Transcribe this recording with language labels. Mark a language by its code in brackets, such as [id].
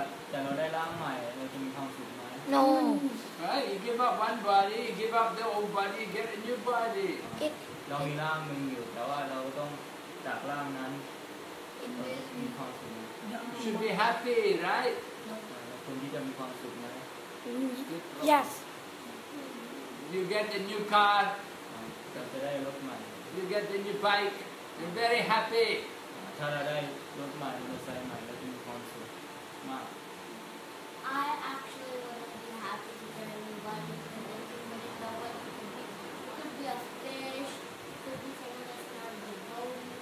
[th] แต่เราได้ร่างใหม่เราจะมีความสุขไหม [en] No Right you give up one body you give up the old body you get a new body [th] เรามีร่างหนึ่งอยู่แต่ว่าเราต้องจากร่างนั้นมีความสุข [en] should be happy right [th] คนที่จะมีความสุขนะ [en] yes you get a new car [th] จะได้รถใหม่ [en] you get a new bike you're very happy [th] ถ้าเราได้รถใหม่รถไซค์ใหม่เราจะมีความสุขมาก [en] I actually would be happy to get a new bike but it could be a fish could be something that's not a good boat